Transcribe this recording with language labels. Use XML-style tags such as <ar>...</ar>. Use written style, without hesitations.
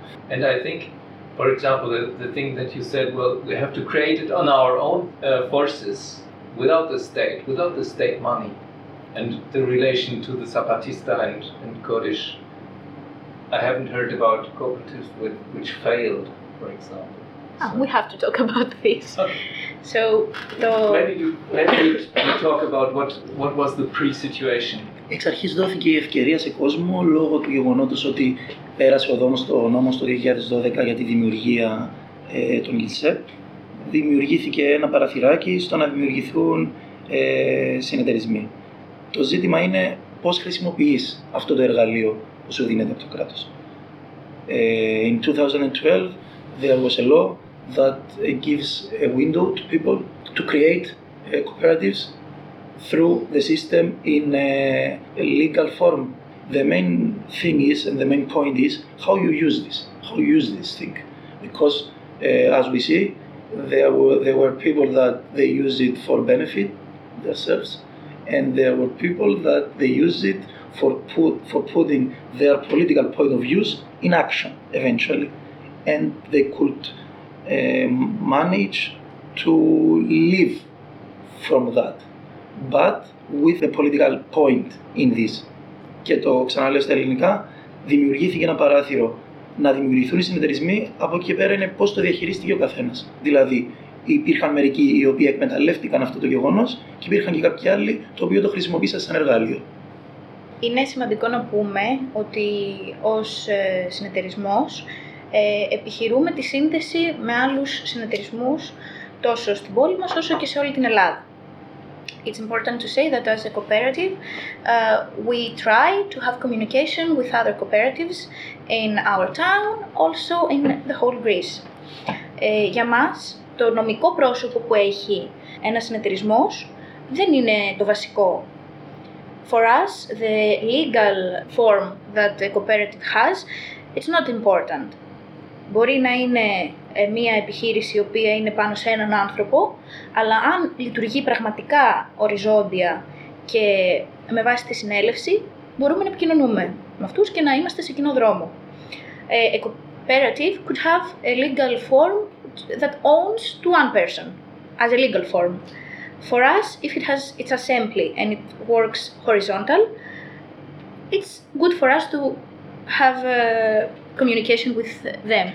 <en>And I think, for example, the thing that you said, well, we have to create it on our own forces, without the state, without the state money, and the relation to the Zapatista and Kurdish. I haven't heard about cooperatives which failed, for example. We have to talk about this. So, when did you talk about what was the pre-situation?</en> <el>Εξ αρχής δόθηκε η ευκαιρία σε κόσμο λόγω του γεγονότος ότι πέρασε ο νόμος το 2012 για τη δημιουργία των ΓΙΛΣΕΠ. Δημιουργήθηκε ένα παραθυράκι στο να δημιουργηθούν συνεταιρισμοί. Το ζήτημα είναι πώς χρησιμοποιείς αυτό το εργαλείο που σου δίνεται από το κράτος.</el> <en>In 2012, there was a law that gives a window to people to create cooperatives through the system in a legal form. The main thing is, and the main point is, how you use this thing. Because, as we see, there were people that they use it for benefit themselves, and there were people that they use it for putting their political point of views in action, eventually. And they could manage to live from that, but with a political point in this.</en> <el>Και το ξαναλέω στα ελληνικά, δημιουργήθηκε ένα παράθυρο να δημιουργηθούν οι συνεταιρισμοί, από εκεί πέρα είναι πώς το διαχειρίστηκε ο καθένας. Δηλαδή, υπήρχαν μερικοί οι οποίοι εκμεταλλεύτηκαν αυτό το γεγονός και υπήρχαν και κάποιοι άλλοι το οποίο το χρησιμοποίησαν σαν εργαλείο. Είναι σημαντικό να πούμε ότι ως συνεταιρισμός επιχειρούμε τη σύνδεση με άλλους συνεταιρισμούς τόσο στην πόλη μας όσο και σε όλη την Ελλάδα.</el> <en>It's important to say that as a cooperative, we try to have communication with other cooperatives in our town, also in the whole Greece.</en> <el>Για μας, το νομικό πρόσωπο που έχει ένας συνεταιρισμός δεν είναι το βασικό.</el> <en>For us, the legal form that the cooperative has, it's not important.</en> <el>Μπορεί να είναι μία επιχείρηση η οποία είναι πάνω σε έναν άνθρωπο, αλλά αν λειτουργεί πραγματικά οριζόντια και με βάση τη συνέλευση, μπορούμε να επικοινωνούμε με αυτούς και να είμαστε σε κοινό δρόμο.</el> <en>A cooperative could have a legal form that owns to one person, as a legal form. For us, if it has its assembly and it works horizontal, it's good for us to have a communication with them.</en>